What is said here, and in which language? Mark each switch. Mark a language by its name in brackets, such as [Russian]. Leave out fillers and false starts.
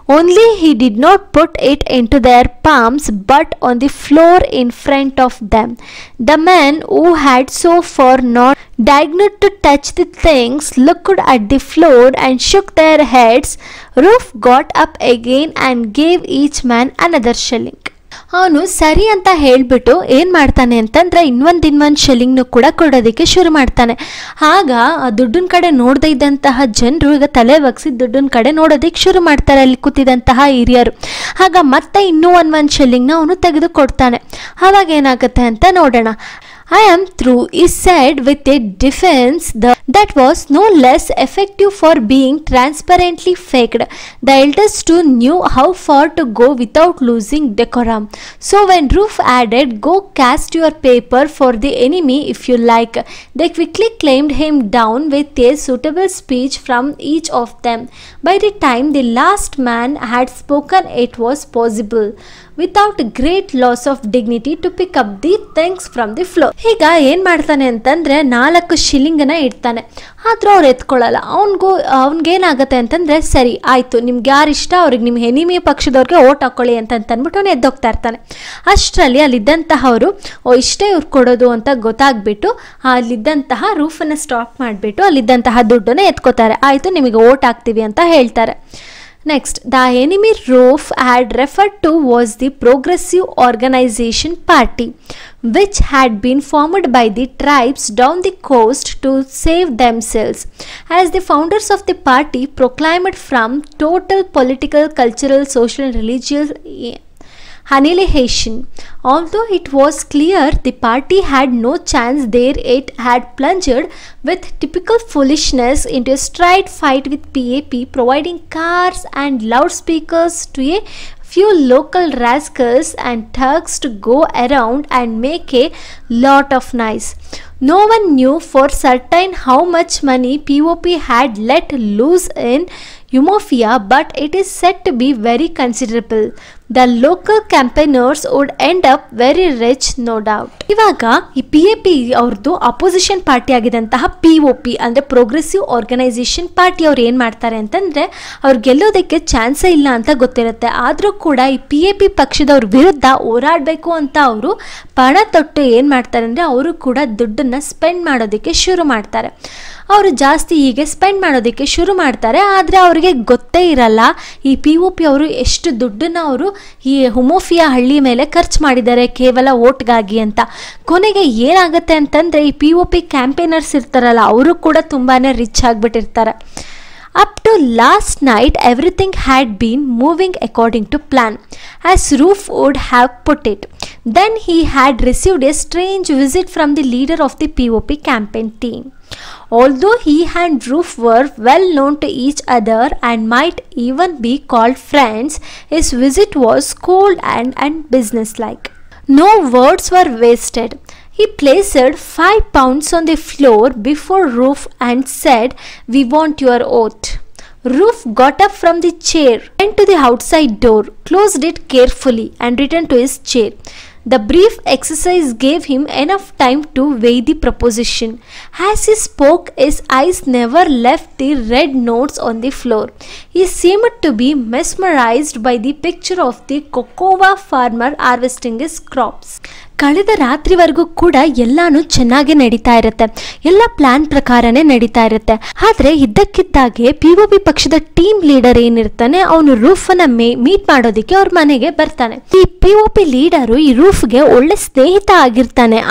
[English] Only he did not put it into their palms but on the floor in front of them. The men who had so far not dared to touch the things looked at the floor and shook their heads. Roof got up again and gave each man another shilling. [Kannada] ಅವನು ಸರಿ ಅಂತ ಹೇಳಿಬಿಟ್ಟು ಏನು ಮಾಡ್ತಾನೆ ಅಂತಂದರೆ ಇನ್ನೊಂದು ಶಿಲ್ಲಿಂಗ್ನು ಕೂಡ ಕೊಡೋದಕ್ಕೆ ಶುರು ಮಾಡ್ತಾನೆ. ಆಗ ಆ ದುಡ್ಡಿನ ಕಡೆ ನೋಡದೇ ಇದ್ದಂತಹ ಜನರು ಈಗ ತಲೆ ಒಗ್ಸಿ ದುಡ್ಡಿನ ಕಡೆ ನೋಡೋದಕ್ಕೆ ಶುರು ಮಾಡ್ತಾರೆ ಅಲ್ಲಿ ಕೂತಿದ್ದಂತಹ ಹಿರಿಯರು. ಆಗ ಮತ್ತೆ ಇನ್ನೂ ಒಂದು ಶಿಲ್ಲಿಂಗ್ನ ಅವನು ತೆಗೆದು ಕೊಡ್ತಾನೆ. ಆವಾಗ ಏನಾಗುತ್ತೆ ಅಂತ ನೋಡೋಣ. [English] I am through, he said with a defiance that was no less effective for being transparently faked. The elders too knew how far to go without losing decorum. So when Roof added, go cast your paper for the enemy if you like, they quickly claimed him down with a suitable speech from each of them. By the time the last man had spoken, it was possible without great loss of dignity to pick up the things from the floor. [Kannada] ಈಗ ಏನು ಮಾಡ್ತಾನೆ ಅಂತಂದರೆ 4 ಶಿಲ್ಲಿಂಗನ್ನು ಇಡ್ತಾನೆ. ಆದರೂ ಅವ್ರು ಎತ್ಕೊಳ್ಳಲ್ಲ. ಅವನಿಗೂ ಅವನಿಗೇನಾಗುತ್ತೆ ಅಂತಂದರೆ ಸರಿ ಆಯಿತು, ನಿಮ್ಗೆ ಯಾರು ಇಷ್ಟ ಅವ್ರಿಗೆ ನಿಮ್ಮ ಹೆನಿಮೆ ಪಕ್ಷದವ್ರಿಗೆ ಓಟ್ ಹಾಕ್ಕೊಳ್ಳಿ ಅಂತಂದ್ಬಿಟ್ಟು ಅವನು ಎದ್ದೋಗ್ತಾ ಇರ್ತಾನೆ. ಅಷ್ಟರಲ್ಲಿ ಅಲ್ಲಿದ್ದಂತಹವರು ಓ ಇಷ್ಟೇ ಇವ್ರು ಕೊಡೋದು ಅಂತ ಗೊತ್ತಾಗ್ಬಿಟ್ಟು ಅಲ್ಲಿದ್ದಂತಹ ರೂಫನ್ನು ಸ್ಟಾಪ್ ಮಾಡಿಬಿಟ್ಟು ಅಲ್ಲಿದ್ದಂತಹ ದುಡ್ಡನ್ನು ಎತ್ಕೋತಾರೆ. ಆಯಿತು ನಿಮಗೆ ಓಟ್ ಹಾಕ್ತೀವಿ ಅಂತ ಹೇಳ್ತಾರೆ. [English] Next, the enemy roof had referred to was the progressive organisation party which had been formed by the tribes down the coast to save themselves as the founders of the party proclaimed from total political cultural social religious annihilation. Although it was clear the party had no chance there, it had plunged with typical foolishness into a straight fight with PAP, providing cars and loudspeakers to a few local rascals and thugs to go around and make a lot of noise. No one knew for certain how much money POP had let loose in Umofia, but it is said to be very considerable. The local campaigners would end up very rich, no doubt. [Kannada] ಇವಾಗ ಈ P A P ಅವ್ರದ್ದು opposition party ಆಗಿದ್ದಂತಹ P O P ಅಂದರೆ progressive organisation party ಅವ್ರು ಏನು ಮಾಡ್ತಾರೆ ಅಂತಂದರೆ ಅವ್ರು ಗೆಲ್ಲೋದಕ್ಕೆ ಚಾನ್ಸೇ ಇಲ್ಲ ಅಂತ ಗೊತ್ತಿರುತ್ತೆ. ಆದರೂ ಕೂಡ ಈ ಪಿ ಎ ಪಿ ಪಕ್ಷದವ್ರ ವಿರುದ್ಧ ಹೋರಾಡಬೇಕು ಅಂತ ಅವರು ಪಣ ತೊಟ್ಟು ಏನು ಮಾಡ್ತಾರೆ ಅಂದರೆ ಅವರು ಕೂಡ ದುಡ್ಡನ್ನು ಸ್ಪೆಂಡ್ ಮಾಡೋದಕ್ಕೆ ಶುರು ಮಾಡ್ತಾರೆ. ಅವರು ಜಾಸ್ತಿ ಹೀಗೆ ಸ್ಪೆಂಡ್ ಮಾಡೋದಕ್ಕೆ ಶುರು ಮಾಡ್ತಾರೆ. ಆದರೆ ಅವರಿಗೆ ಗೊತ್ತೇ ಇರಲ್ಲ ಈ ಪಿ ಒ ಪಿ ಅವರು ಎಷ್ಟು ದುಡ್ಡನ್ನು ಅವರು ಈ ಹುಮೋಫಿಯಾ ಹಳ್ಳಿ ಮೇಲೆ ಖರ್ಚು ಮಾಡಿದ್ದಾರೆ ಕೇವಲ ಓಟ್ಗಾಗಿ ಅಂತ. ಕೊನೆಗೆ ಏನಾಗುತ್ತೆ ಅಂತಂದರೆ ಈ ಪಿ ಒ ಪಿ ಕ್ಯಾಂಪೇನರ್ಸ್ ಇರ್ತಾರಲ್ಲ ಅವರು ಕೂಡ ತುಂಬಾ rich ಆಗಿಬಿಟ್ಟಿರ್ತಾರೆ. [English] Up to last night, everything had been moving according to plan, as Roof would have put it. Then he had received a strange visit from the leader of the POP campaign team. Although he and Roof were well known to each other and might even be called friends, his visit was cold and unbusinesslike. No words were wasted. He placed 5 pounds on the floor before Roof and said, "We want your oath." Roof got up from the chair, went to the outside door, closed it carefully, and returned to his chair. The brief exercise gave him enough time to weigh the proposition. As he spoke, his eyes never left the red notes on the floor. He seemed to be mesmerized by the picture of the cocoa farmer harvesting his crops. [Kannada] ಕಳೆದ ರಾತ್ರಿವರೆಗೂ ಕೂಡ ಎಲ್ಲಾನು ಚೆನ್ನಾಗಿ ನಡೀತಾ ಇರುತ್ತೆ, ಎಲ್ಲ plan ಪ್ರಕಾರನೇ ನಡೀತಾ ಇರುತ್ತೆ. ಆದರೆ ಇದ್ದಕ್ಕಿದ್ದಾಗೆ ಪಿ ಒ ಬಿ ಪಕ್ಷದ ಟೀಮ್ ಲೀಡರ್ ಏನಿರ್ತಾನೆ, ಅವನು ರೂಫನ್ನ ಮೀಟ್ ಮಾಡೋದಕ್ಕೆ ಅವ್ರ ಮನೆಗೆ ಬರ್ತಾನೆ. ಈ ಪಿ ಒ ಪಿ ಲೀಡರು ಈ ರೂಫ್ಗೆ ಒಳ್ಳೆ ಸ್ನೇಹಿತ ಆಗಿರ್ತಾನೆ.